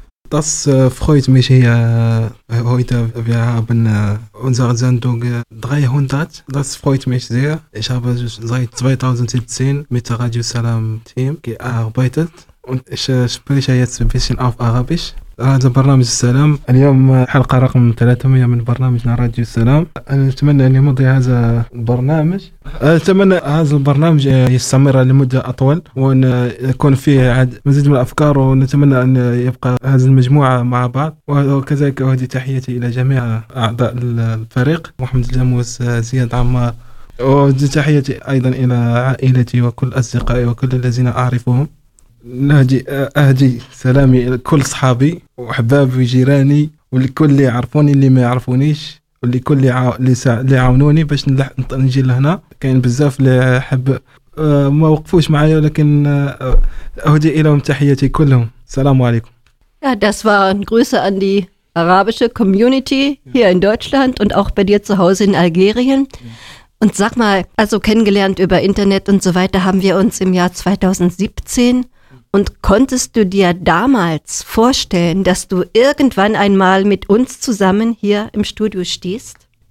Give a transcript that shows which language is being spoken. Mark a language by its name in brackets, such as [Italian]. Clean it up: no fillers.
[German] Das freut mich hier heute. Wir haben unsere Sendung 300. Das freut mich sehr. Ich habe seit 2017 mit dem Radio Salam Team gearbeitet und ich spreche jetzt ein bisschen auf Arabisch. Also Barnamis Salam. [Arabic] اليوم حلقة رقم 300 من برنامجنا راديو السلام. أتمنى أن يمضي هذا البرنامج. أتمنى هذا البرنامج يستمر لمدة أطول وأن يكون فيه مزيد من الأفكار ونتمنى أن يبقى هذه المجموعة مع بعض. وكذلك أودي تحياتي إلى جميع أعضاء الفريق محمد الجاموس زياد عمار وأودي تحياتي أيضا إلى عائلتي وكل أصدقائي وكل الذين أعرفهم. أهدي سلامي لكل صحابي وحبابي وجيراني ولكل اللي يعرفوني اللي ما يعرفونيش ولكل اللي عاونوني باش نجي لهنا. كاين بزاف اللي حب ما وقفوش معايا ولكن أهدي إليهم تحياتي كلهم. السلام عليكم. [German] Ja, das waren Grüße an die arabische Community hier in Deutschland und auch bei dir zu Hause in Algerien. Und sag mal, also kennengelernt über Internet und so weiter haben wir uns im Jahr 2017. Und konntest du dir damals vorstellen, dass du irgendwann einmal mit uns zusammen hier im Studio stehst?